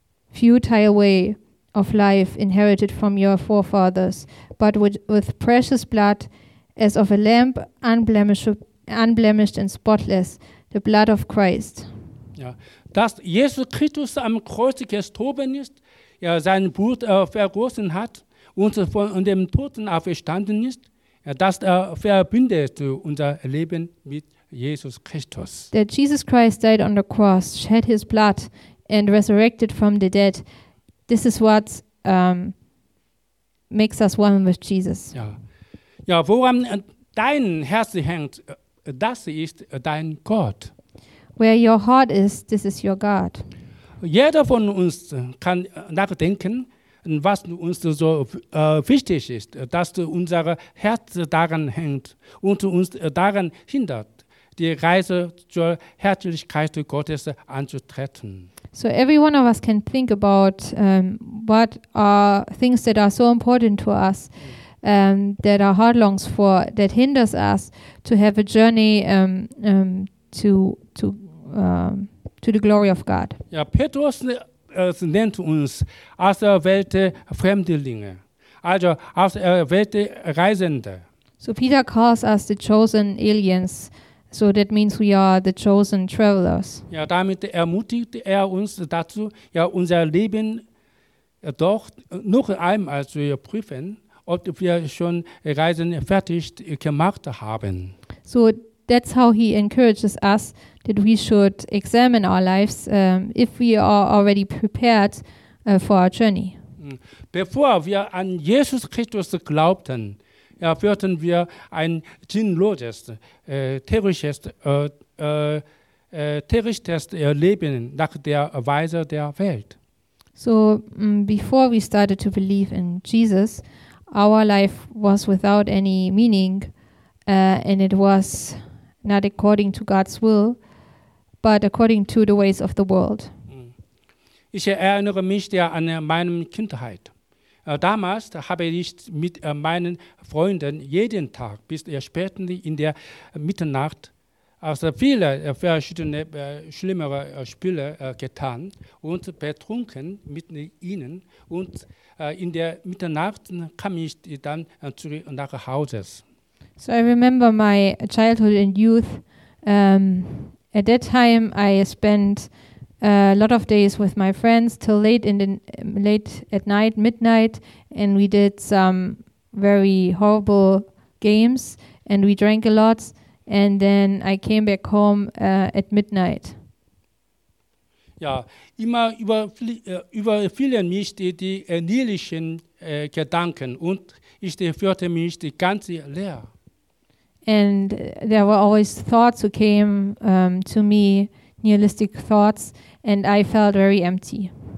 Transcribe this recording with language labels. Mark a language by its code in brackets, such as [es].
[en] futile way of life inherited from your forefathers, but with precious blood as of a lamb unblemished and spotless, the blood of Christ. [de] Ja, dass Jesus Christus am Kreuz gestorben ist, ja, sein Blut vergossen hat und von dem Toten auferstanden ist, ja, das verbindet unser Leben mit Jesus Christus. [en] That Jesus Christ died on the cross, shed his blood and resurrected from the dead. This is what makes us one with Jesus. [de] Ja. Ja, woran dein Herz hängt, das ist dein Gott. [en] Where your heart is, this is your God. [de] Jeder von uns kann nachdenken, was uns so wichtig ist, dass unser Herz daran hängt und uns daran hindert, die Reise zur Herrlichkeit Gottes anzutreten. [en] So every one of us can think about what are things that are so important to us, that our heart longs for, that hinders us to have a journey to the glory of God. [de] Ja, Petrus nennt uns aus der Welt Fremdlinge, also aus der Welt Reisende. [en] So Peter calls us the chosen aliens. So that means we are the chosen travelers. [de] Ja, damit ermutigt uns dazu, ja, unser Leben doch noch einmal zu prüfen, ob wir schon Reisen fertig gemacht haben. [en] So that's how he encourages us that we should examine our lives, if we are already prepared for our journey. [de] Bevor wir an Jesus Christus glaubten, ja, führten wir ein sinnloses, törichtes Leben nach der Weise der Welt. [en] So, before we started to believe in Jesus, our life was without any meaning, and it was not according to God's will, but according to the ways of the world. [de] Ich erinnere mich ja an meine Kindheit. Damals habe ich mit meinen Freunden jeden Tag bis spät in der Mitternacht also viele verschiedene schlimmere Spiele getan und betrunken mit ihnen. Und in der Mitternacht kam ich dann zurück nach Hause. [en] So I remember my childhood and youth. At that time I spent a lot of days with my friends till late at night, midnight, and we did some very horrible games and we drank a lot, and then I came back home at midnight. [de] Ja, immer überfielen mich die niedlichen Gedanken und ich fühlte mich die ganze leer. [en] And there were always thoughts who came to me, nihilistic thoughts, and I felt very empty.